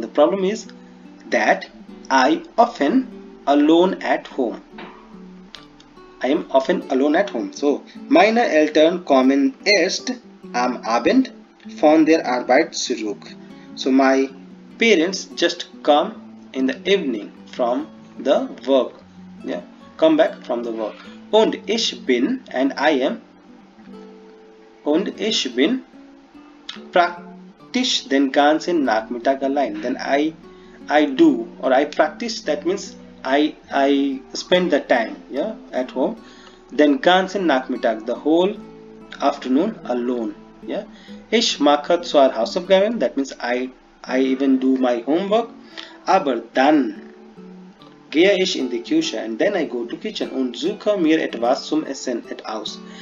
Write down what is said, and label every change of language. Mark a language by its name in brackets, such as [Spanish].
[English] The problem is that I often alone at home. I am often alone at home. [German] So meine Eltern kommen erst am Abend von der Arbeit zurück. [English] So my parents just come in the evening from the work. Yeah, come back from the work. [German] Und ich bin [English] and I am [German] und ich bin praktisch den ganzen Nachmittag allein. [English] Then I practice, that means I spend the time, yeah, at home. Then [German] ganzen Nachmittag, [English] the whole afternoon alone, yeah. [German] Ich mache zwar Hausaufgaben, [English] that means I even do my homework, [German] aber dann gehe ich in die Küche [English] and then I go to kitchen [German] und suche mir etwas zum Essen at aus.